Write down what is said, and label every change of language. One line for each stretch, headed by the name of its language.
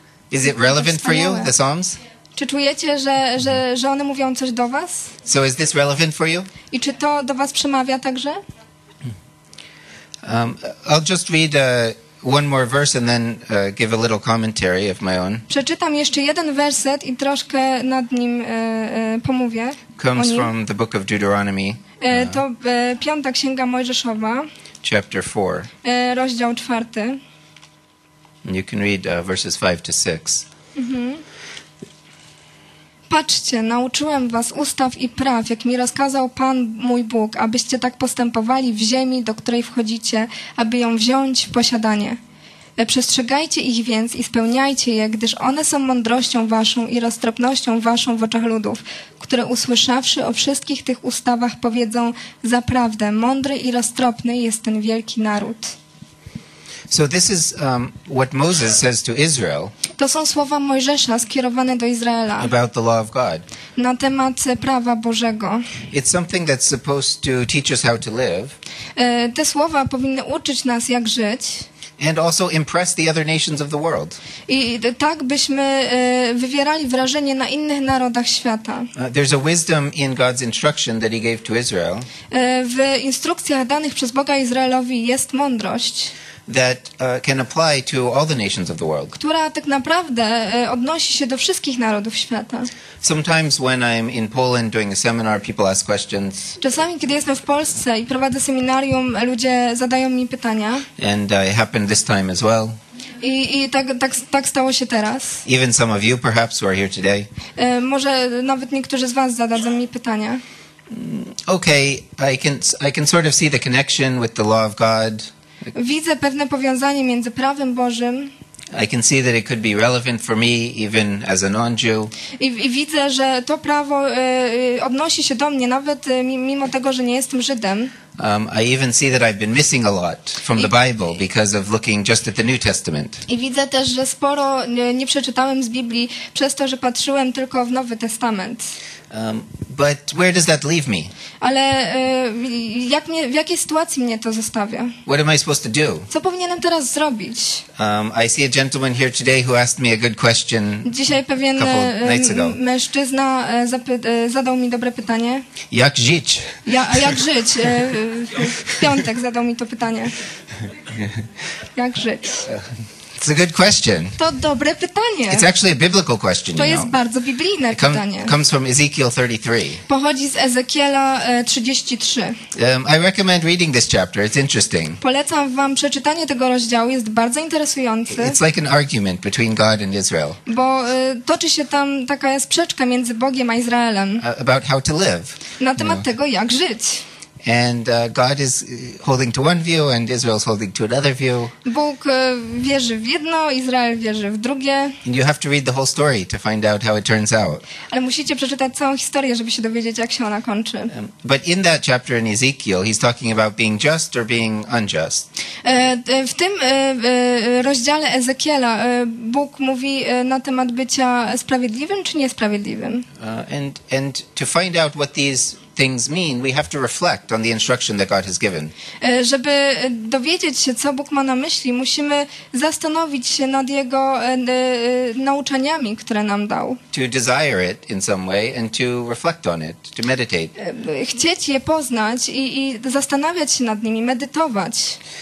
English: Is it relevant for you, the psalms?
Polish: Czy czujecie, że one mówią coś do was?
English: So is this relevant for you?
Polish: I czy to do was przemawia także?
English: I'll just read one more verse and then give a little commentary of my own.
Polish: Przeczytam jeszcze jeden werset i troszkę nad nim pomówię.
English: Comes from the book of Deuteronomy.
Polish: To piąta księga Mojżeszowa.
English: Chapter 4.
Polish: Rozdział 4.
English: You can read verses 5 to 6. Mm-hmm.
Polish: Patrzcie, nauczyłem was ustaw i praw, jak mi rozkazał Pan mój Bóg, abyście tak postępowali w ziemi, do której wchodzicie, aby ją wziąć w posiadanie. Przestrzegajcie ich więc i spełniajcie je, gdyż one są mądrością waszą i roztropnością waszą w oczach ludów, które usłyszawszy o wszystkich tych ustawach powiedzą, zaprawdę mądry i roztropny jest ten wielki naród.
English: So this is what Moses says to Israel.
Polish: To są słowa Mojżesza skierowane do Izraela.
English: About the law of God.
Polish: Na temat prawa Bożego.
English: It's something that's supposed to teach us how to live.
Polish: Te słowa powinny uczyć nas jak żyć.
English: And also impress the other nations of the world.
Polish: I tak byśmy wywierali wrażenie na innych narodach świata.
English: There's a wisdom in God's instruction that he gave to Israel.
Polish: W instrukcjach danych przez Boga Izraelowi jest mądrość.
English: That can apply to all the nations of the world.
Polish: Która tak naprawdę odnosi się do wszystkich narodów świata.
English: Sometimes when I'm in Poland doing a seminar, people ask questions.
Polish: Czasami kiedy jestem w Polsce i prowadzę seminarium, ludzie zadają mi pytania.
English: And it happened this time as well.
Polish: I tak stało się teraz.
English: Even some of you perhaps who are here today.
Polish: Może nawet niektórzy z was zadadzą mi pytania.
English: Okay, I can sort of see the connection with the law of God.
Polish: Widzę pewne powiązanie między prawem Bożym.
English: I can see that it could be relevant for me even as a non-Jew.
Polish: I widzę, że to prawo odnosi się do mnie nawet mimo tego, że nie jestem Żydem.
English: I even see that I've been missing a lot from the Bible because of looking just at the New Testament.
Polish: I widzę też, że sporo nie przeczytałem z Biblii przez to, że patrzyłem tylko w Nowy Testament.
English: But where does that leave me?
Polish: Ale w jakiej sytuacji mnie to zostawia?
English: What am I supposed to do?
Polish: Co powinienem teraz zrobić?
English: I see a gentleman here today who asked me a good question.
Polish: Dzisiaj pewien mężczyzna zadał mi dobre pytanie. Jak żyć? Jak żyć? W piątek zadał mi to pytanie. Jak żyć?
English: It's a good question.
Polish: To dobre pytanie.
English: It's actually a biblical question.
Polish: To jest bardzo biblijne pytanie.
English: Comes from Ezekiel 33.
Polish: Pochodzi z Ezekiela 33.
English: I recommend reading this chapter. It's interesting.
Polish: Polecam wam przeczytanie tego rozdziału. Jest bardzo interesujący.
English: It's like an argument between God and Israel.
Polish: Bo toczy się tam taka sprzeczka między Bogiem a Izraelem.
English: About how to live.
Polish: Na temat tego, jak żyć.
English: And God is holding to one view and Israel's holding to another view.
Polish: Bóg wierzy w jedno, Izrael wierzy w drugie.
English: And you have to read the whole story to find out how it turns out.
Polish: Ale musicie przeczytać całą historię, żeby się dowiedzieć, jak się ona kończy.
English: But in that chapter in Ezekiel, he's talking about being just or being unjust.
Polish: W tym rozdziale Ezekiela Bóg mówi na temat bycia sprawiedliwym czy niesprawiedliwym.
English: And to find out what these things mean, we have to reflect on the instruction that God has given.
Polish: Żeby dowiedzieć się, co Bóg ma na myśli, musimy zastanowić się nad jego nauczaniami, które nam dał.
English: To desire it in some way and to reflect on it, to meditate.
Polish: Chcieć je poznać i zastanawiać się nad nimi, medytować.